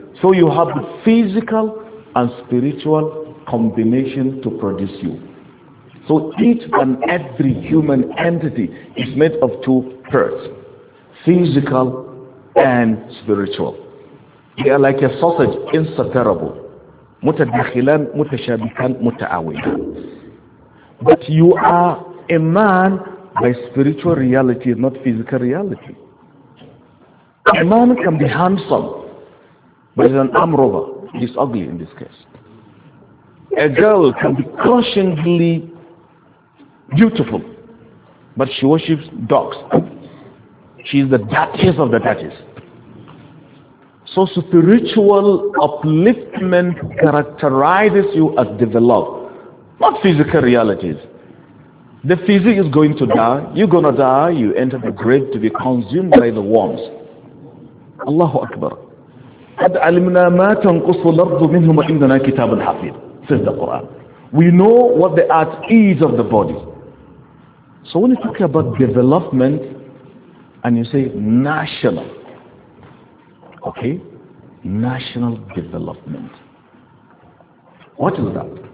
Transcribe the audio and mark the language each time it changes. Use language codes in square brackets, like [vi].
[en] So you have the physical and spiritual combination to produce you. So each and every human entity is made of two parts, physical and spiritual. They are like a sausage, inseparable. [ar] متدخلان متشابكان متعاونان. [en] But you are a man by spiritual reality, not physical reality. A man can be handsome, but he's an arm rover. He's ugly in this case. A girl can be crushingly beautiful, but she worships dogs. She's the dirtiest of the dirtiest. So spiritual upliftment characterizes you as developed, not physical realities. The physique is going to die. You're going to die. You enter the grave to be consumed by the worms. Allahu Akbar. [ar] قد علمنا ما تنقص الأرض منهم عندنا كتاب حفيظ [en] says the Quran. We know what the art is of the body. So when you talk about development and you say national, okay, national development, what is that?